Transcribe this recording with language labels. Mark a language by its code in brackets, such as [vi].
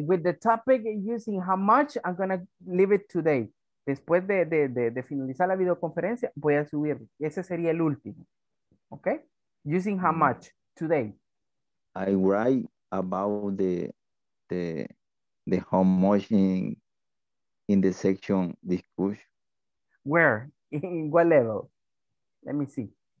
[en] With the topic using how much, I'm going to leave it today. [es] Después de finalizar la videoconferencia, voy a subir. Ese sería el último. Okay, [en] using how much today? I write about the how much in the section discussion. Where? In what level? Let me see.